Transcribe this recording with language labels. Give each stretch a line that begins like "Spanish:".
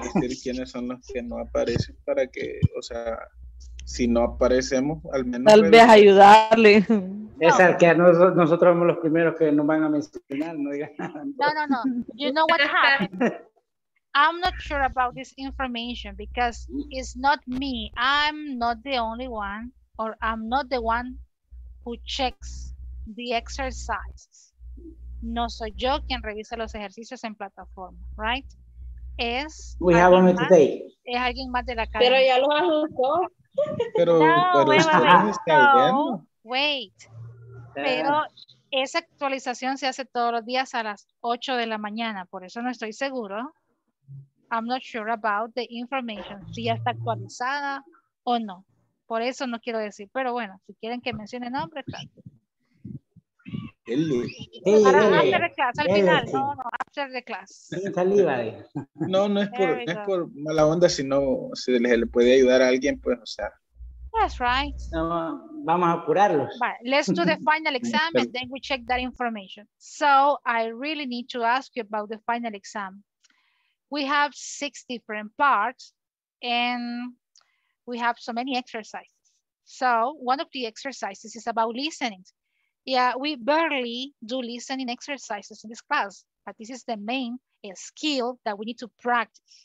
Spanish: Decir quiénes son los que no aparecen para que, o sea, si no aparecemos, al menos. Tal vez ayudarle. Es no. El que nosotros somos los primeros que nos van a mencionar, no digan nada.
English: No, no, no. You know what happened? I'm not sure about this information because it's not me. I'm not the only one, or I'm not the one who checks the exercises.
Spanish: No soy yo quien revisa los ejercicios en plataforma, right? Es
English: we have one today.
Spanish: Es alguien más de la academia. Pero ya lo ajustó. Pero no, pero
English: wait.
Spanish: Pero esa actualización se hace todos los días a las 8 de la mañana, por eso no estoy seguro.
English: I'm not sure about the information
Spanish: si ya está actualizada o no. Por eso no quiero decir, pero bueno, si quieren que mencione nombre, claro.
English: After the class,
Spanish: no, no es por, no es por mala onda, sino si le puede ayudar a alguien, pues, o sea.
English: That's right.
Spanish: No, vamos a apurarlos.
English: But let's do the final exam and then we check that information. So I really need to ask you about the final exam. We have 6 different parts and we have so many exercises. So one of the exercises is about listening. Yeah, we barely do listening exercises in this class, but this is the main skill that we need to practice.